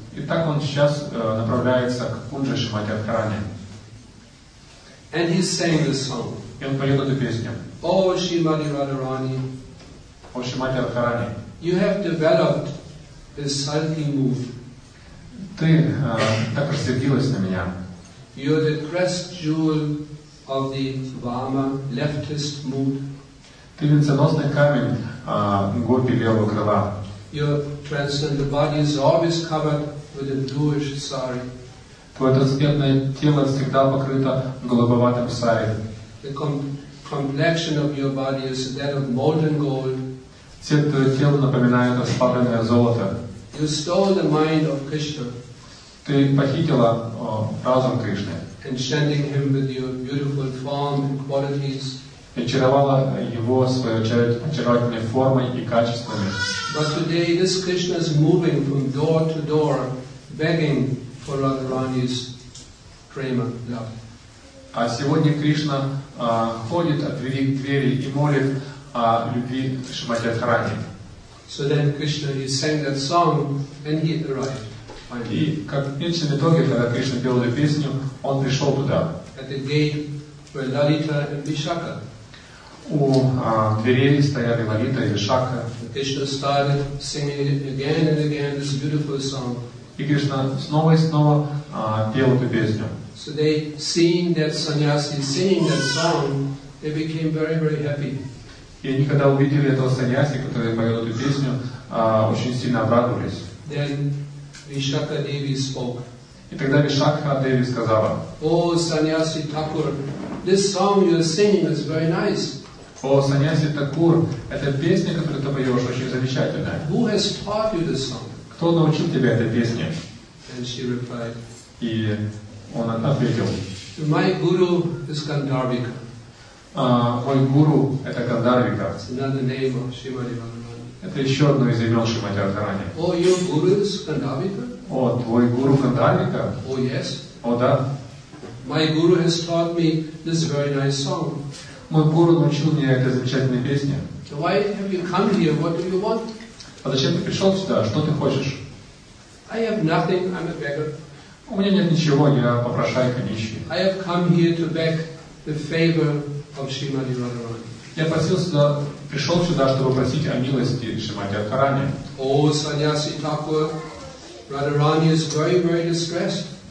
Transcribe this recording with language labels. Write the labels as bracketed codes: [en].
[ru] И так он сейчас направляется к кунже Шримати Радхарани. [en] And he sang this song. [ru] И он поет эту песню. [en] Oh Srimati Radharani. [ru] О Шримати Радхарани. [en] You have developed this sulking mood. [ru] Ты так рассердилась на меня. [en] You're the crest jewel of the Vama leftist mood. [ru] Ты венценосный камень гопи левого крыла. [en] Your transcendent body is always covered with a bluish sari. [ru] Твое трансцендентное тело всегда покрыто голубоватым сари. [en] The complexion of your body is that of molten gold. [ru] Цвет твоего тела напоминает расплавленное золото. [en] You stole the mind of Krishna. [ru] Ты похитила разум Кришны. [en] Enchanting him with your beautiful form and qualities. [ru] Очаровала его своей очаровательной формой и качествами. [en] But today this Krishna is moving from door to door, begging for Radharani's prema, love. [ru] А сегодня Кришна ходит от двери к двери и молит о любви Шримати Радхарани. [en] So then Krishna, he sang that song and he arrived. [ru] И как в конечном итоге, когда Кришна пел эту песню, он пришел туда. [en] At the gate where Lalita and Vishakha. [ru] У дверей стояли Лалита и Вишакха. [en] Krishna started singing again and again this beautiful song. [ru] И Кришна снова и снова пел эту песню. [en] So they seeing that sannyasi singing that song, they became very, very happy. [ru] И они когда увидели этого сannyasi, который поет эту песню, очень сильно обрадовались. [en] Then Vishakha Devi spoke. [ru] И тогда Вишакха Деви сказала: [en] О, Саньяси Такур, this song you are singing is very nice. [ru] О, Саньяси Такур, эта песня, которую ты поешь, очень замечательная. [en] Who has taught you this song? [ru] Кто научил тебя этой песне? [en] And she replied. [ru] И он ответил: [en] My guru is Gandharvika. [ru] Мой гуру это Гандарвика. [en] Another name of Srimati Radharani. [ru] Это еще одно из имен Шримати Радхарани. [en] О, your guru is Gandharvika? [ru] О, твой гуру Гандарвика? [en] О, yes. [ru] О, да. [en] My guru has taught me this very nice song. [ru] Мой гуру научил меня этой замечательной песне. [en] Why have you come here? What do you want? [ru] А зачем ты пришел сюда? Что ты хочешь? [en] I have nothing, I'm a beggar. [ru] У меня нет ничего, я попрошайка, нищий. [en] I have come here to beg the favor of Srimati Radharani. [ru] Я просил сюда, пришел сюда, чтобы просить о милости Шримати Радхарани. [en] О, Саньяси Такур, Радхарани is very, very distressed.